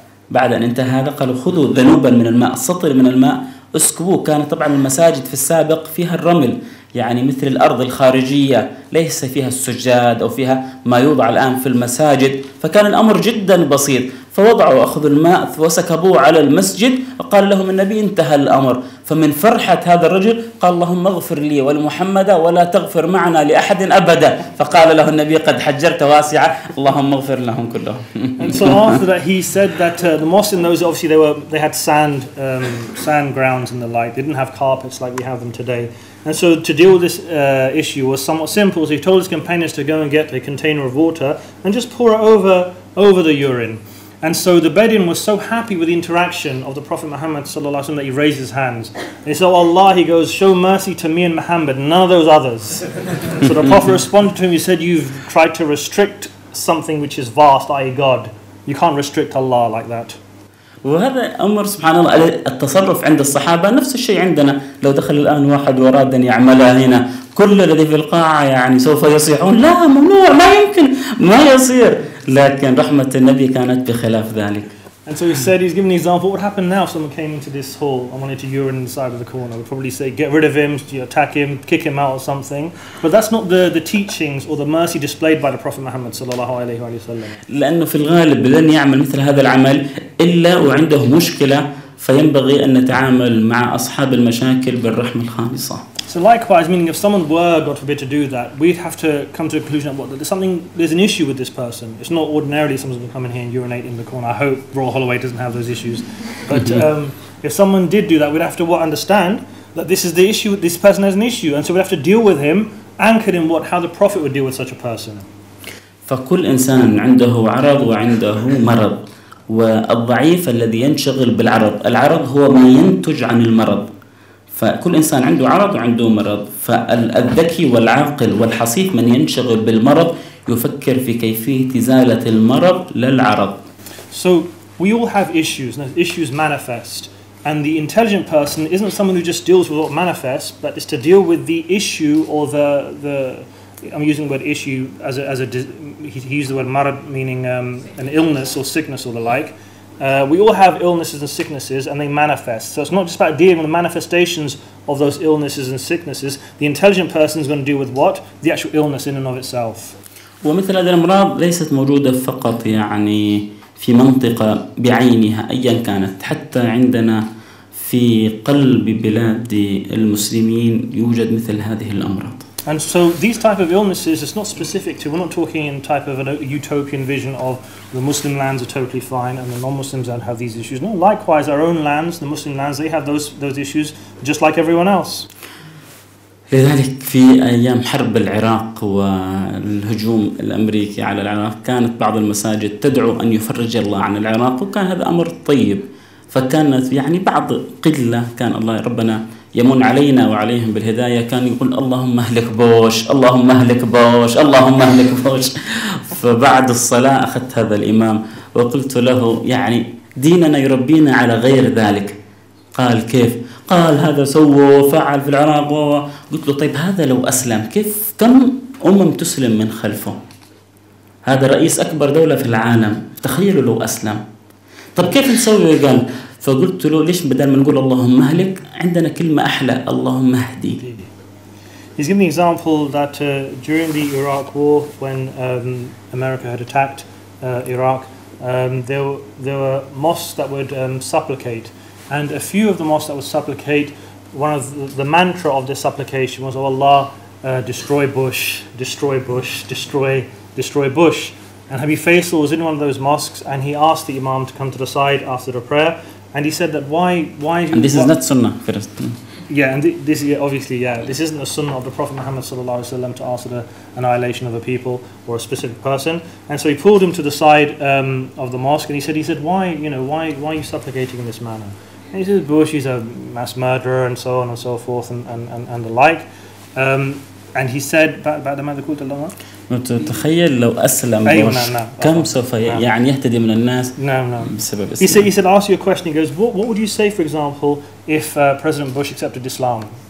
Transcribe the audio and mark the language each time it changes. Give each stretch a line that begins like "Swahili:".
Arabic: بعد أن انتهى هذا قالوا خذوا ذنوبا من الماء سطر من الماء اسكبوه كانت طبعا المساجد في السابق فيها الرمل يعني مثل الأرض الخارجية ليس فيها السجاد أو فيها ما يوضع الآن في المساجد فكان الأمر جدا بسيط فوضعوا أخذوا الماء وسكبوه على المسجد وقال لهم النبي انتهى الأمر فمن فرحة هذا الرجل قال اللهم اغفر لي ولمحمد ولا تغفر معنا لأحد أبدا فقال له النبي قد حجرت واسعة اللهم اغفر لهم كلهم.
English: And so after that he said that the mosque in those, obviously they had sand sand grounds and the like. They didn't have carpets like we have them today. And so to deal with this issue was somewhat simple. So he told his companions to go and get a container of water and just pour it over the urine. And so the Bedouin was so happy with the interaction of the Prophet Muhammad sallallahu alaihi wasallam that he raised his hands. And he said, oh Allah, he goes, show mercy to me and Muhammad, none of those others. So the Prophet responded to him, he said, you've tried to restrict something which is vast, i.e. God. You can't restrict Allah like that.
Arabic: وهذا أمر سبحان الله التصرف عند الصحابة نفس الشيء عندنا لو دخل الآن واحد وراد أن يعمل هنا كل الذي في القاعة يعني سوف يصيحون لا ممنوع ما يمكن ما يصير لكن رحمة النبي كانت بخلاف ذلك.
English: And so he said, he's giving an example, what would happen now if someone came into this hall and wanted to urine inside of the corner? We'd probably say, get rid of him, attack him, kick him out or something. But that's not the teachings or the mercy displayed by the Prophet Muhammad sallallahu alayhi wa sallam.
Arabic: لأنه في الغالب لن يعمل مثل هذا العمل إلا وعنده مشكلة فينبغي أن نتعامل مع أصحاب المشاكل بالرحمة الخالصة.
English: So likewise, meaning if someone were, God forbid, to do that, we'd have to come to a conclusion that there's an issue with this person. It's not ordinarily someone's going to come in here and urinate in the corner. I hope Royal Holloway doesn't have those issues. But if someone did do that, we'd have to understand that this is the issue, this person has an issue. And so we'd have to deal with him, anchored in how the Prophet would deal with such a person.
Arabic: فكل إنسان عنده عرض وعنده مرض. والضعيف الذي ينشغل بالعرض. العرض هو ما ينتج عن المرض. فكل إنسان عنده عرض وعنده مرض فالذكي والعاقل والحصيف من ينشغل بالمرض يفكر في كيفية إزالة المرض للعرض.
English: So we all have issues and issues manifest and the intelligent person isn't someone who just deals with what manifests but is to deal with the issue or the I'm using the word issue as a he used the word marad meaning an illness or sickness or the like. We all have illnesses and sicknesses and they manifest. So it's not just about dealing with the manifestations of those illnesses and sicknesses. The intelligent person is going to deal with what? The actual illness in and of itself.
Arabic: ومثل هذه الأمراض ليست موجودة فقط يعني في منطقة بعينها أيا كانت حتى عندنا في قلب بلاد المسلمين يوجد مثل هذه الأمراض.
English: And so these type of illnesses, it's not specific to, we're not talking in type of a utopian vision of the Muslim lands are totally fine and the non-Muslims don't have these issues. No, likewise, our own lands, the Muslim lands, they have those issues just like everyone else.
Arabic: لذلك في أيام حرب العراق والهجوم الأمريكي على العراق كانت بعض المساجد تدعو أن يفرج الله عن العراق وكان هذا أمر طيب فكانت يعني بعض قلة كان الله ربنا يمن علينا وعليهم بالهداية كان يقول اللهم اهلك بوش اللهم اهلك بوش اللهم اهلك بوش فبعد الصلاة أخذت هذا الإمام وقلت له يعني ديننا يربينا على غير ذلك قال كيف قال هذا سوى وفعل في العراق قلت له طيب هذا لو أسلم كيف كم أمم تسلم من خلفه هذا رئيس أكبر دولة في العالم تخيلوا لو أسلم طب كيف نسوي قال فقلت له ليش بدل ما نقول اللهم اهلك عندنا كلمة أحلى اللهم اهدي.
English: He's giving the example that during the Iraq war when America had attacked Iraq there were mosques that would supplicate and a few of the mosques that would supplicate one of the mantra of the supplication was oh Allah destroy Bush destroy Bush destroy destroy Bush and Habib Faisal was in one of those mosques and he asked the Imam to come to the side after the prayer. And he said that why and this is not sunnah first. Yeah, and this isn't a sunnah of the Prophet Muhammad sallallahu alaihi wasallam to ask for the annihilation of a people or a specific person. And so he pulled him to the side of the mosque and he said why are you supplicating in this manner? And he said Bush is a mass murderer and so on and so forth and the like. And he said
Arabic: بعد ما ذكرت الله تخيل لو أسلم كم سوف يعني يهتدي من الناس بسبب إسلام.
English: He said, ask you a question. He goes, what would you say, for example, if President Bush accepted Islam?